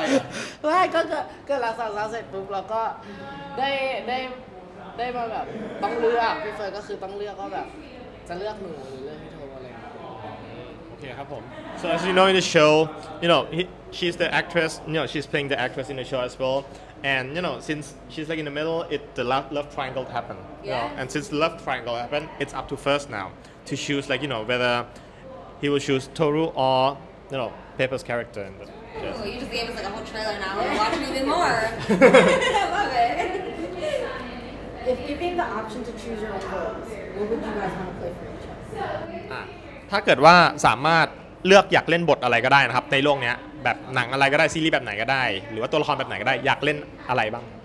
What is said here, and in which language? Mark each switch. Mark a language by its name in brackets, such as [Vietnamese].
[Thai] ไม่ก็หลังสาวเสร็จปุ๊บเราก็ได้มาแบบต้องเลือกพี่เฟิร์สก็คือต้องเลือกก็แบบจะเลือกหนูหรือเลือกพี่โทอะไร โอเ Okay, ครับผม. [English] So as you know in the show, you know, she's the actress, you know, she's playing the actress in the show as well. And you know, since she's like in the middle, the love triangle happened. Yeah. You know? And since the love triangle happened, it's up to First now to choose, like, you know, whether he will choose Toru or, you know, Pepper's character. Ooh, you just gave us like a whole trailer now. Watch me even more. I love it. If you gave the option to choose your own roles, what would you guys want to play for each other? [Thai] ถ้าเกิดว่าสามารถเลือกอยากเล่นบทอะไรก็ได้นะครับในโลกนี้แบบหนังอะไรก็ได้ซีรีส์แบบไหนก็ได้หรือว่าตัวละครแบบไหนก็ได้อยากเล่นอะไรบ้าง